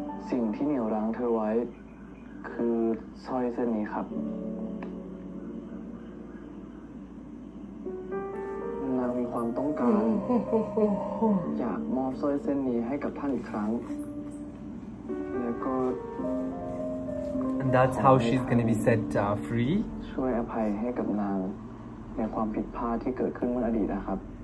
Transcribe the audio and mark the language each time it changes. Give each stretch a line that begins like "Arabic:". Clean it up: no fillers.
Thai: สิ่งที่เหนี่ยวรั้งเธอไว้คือสร้อยเส้นนี้ครับนางมีความต้องการ อยากมอบสร้อยเส้นนี้ให้กับท่านอีกครั้งแล้วก็
English: And that's how she's gonna be set free
Thai: ช่วยอภัยให้กับนางในความผิดพลาดที่เกิดขึ้นเมื่ออดีตนะครับ